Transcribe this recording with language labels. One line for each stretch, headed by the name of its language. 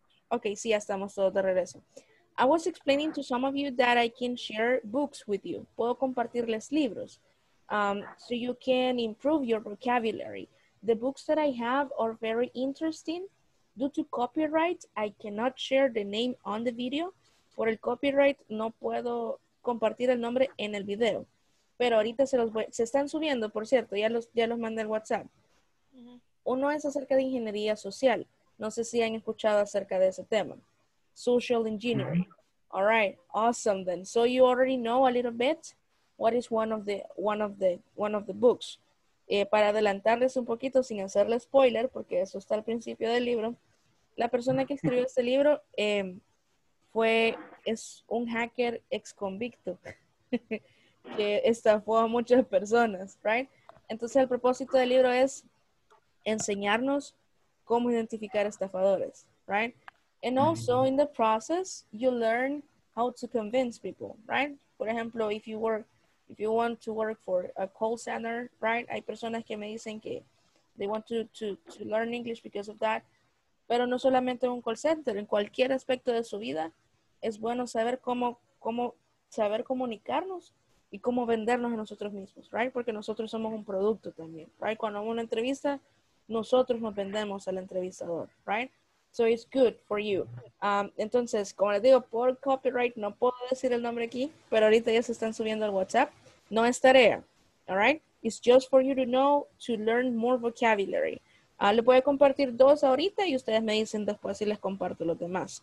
English: Okay,
Spanish: sí, estamos todos de regreso.
English: I was explaining to some of you that I can share books with you.
Spanish: Puedo compartirles libros.
English: So you can improve your vocabulary. The books that I have are very interesting. Due to copyright, I cannot share the name on the video.
Spanish: Por el copyright, no puedo compartir el nombre en el video. Pero ahorita se los voy, se están subiendo, por cierto, ya los mandé al WhatsApp. Uno es acerca de ingeniería social. No sé si han escuchado acerca de ese tema.
English: Social engineering. All right, awesome then. So you already know a little bit. What is one of the books?
Spanish: Para adelantarles un poquito sin hacerle spoiler, porque eso está al principio del libro. La persona que escribió este libro es un hacker ex convicto que estafó a muchas personas, right? Entonces el propósito del libro es enseñarnos cómo identificar estafadores, right?
English: And also in the process, you learn how to convince people, right?
Spanish: Por ejemplo,
English: if you want to work for a call center, right?
Spanish: Hay personas que me dicen que
English: they want to learn English because of that.
Spanish: Pero no solamente en un call center, en cualquier aspecto de su vida, es bueno saber cómo saber comunicarnos y cómo vendernos a nosotros mismos, right? Porque nosotros somos un producto también, right? Cuando hago una entrevista, nosotros nos vendemos al entrevistador, right?
English: So it's good for you.
Spanish: Entonces, como les digo, por copyright, no puedo decir el nombre aquí, pero ahorita ya se están subiendo al WhatsApp. No es tarea,
English: all right? It's just for you to know, to learn more vocabulary.
Spanish: Le voy a compartir dos ahorita y ustedes me dicen después si les comparto los demás.